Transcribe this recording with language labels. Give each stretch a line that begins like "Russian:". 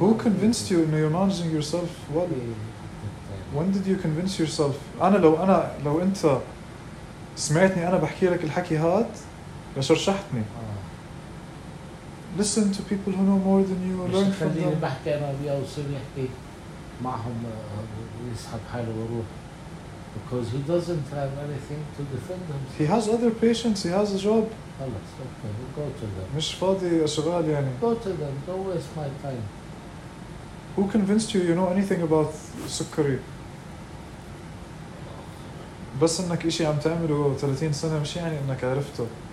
English: who convinced you that you're managing yourself what when did you convince yourself
Arabic: انا لو انا لو انت سمعتني انا بحكي لك الحكي هاد لشرشحتني
English: Listen to people who know more than you or learn from them.
Arabic: بحكي أنا بيا وصل يحكي معهم ويسحب حاله وروح.
English: Because he doesn't have anything to defend himself. He has other patients. He has a job. خلاص okay. We'll go to them.
Arabic: مش فاضي أشغال يعني.
English: Go to them. Don't waste my time. Who convinced you? You know anything about سكري?
Arabic: بس إنك إشي عم تعمله 30 سنة مش يعني إنك عرفته.